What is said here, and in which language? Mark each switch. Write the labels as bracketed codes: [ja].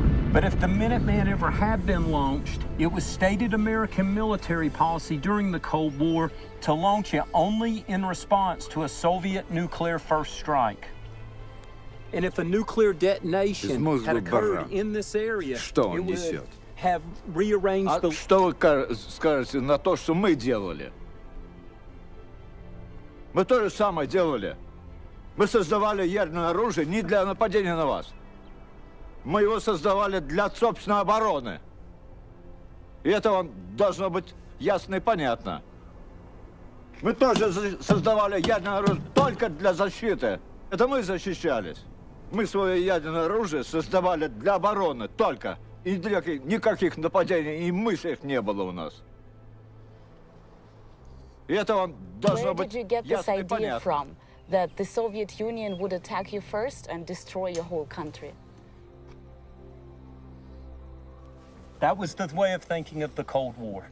[en] But if the Minuteman ever had been launched, it was stated American military policy during the Cold War to launch it only in response to a Soviet nuclear first strike. And if a nuclear detonation had occurred in this area, it would have rearranged the... [ru] А что вы скажете на то, что мы делали? Мы то же самое делали. Мы создавали ядерное оружие не для нападения на вас. Мы его создавали для собственной обороны. И это вам должно быть ясно и понятно. Мы тоже создавали ядерное оружие только для защиты. Это мы защищались. Мы свое ядерное оружие создавали для обороны только. И никаких нападений и мыслей не было у нас. И это вам должно быть ясно и понятно. [en] Where did you get this idea from? That the Soviet Union would attack you first and destroy your whole country? That was the way of thinking of the Cold War.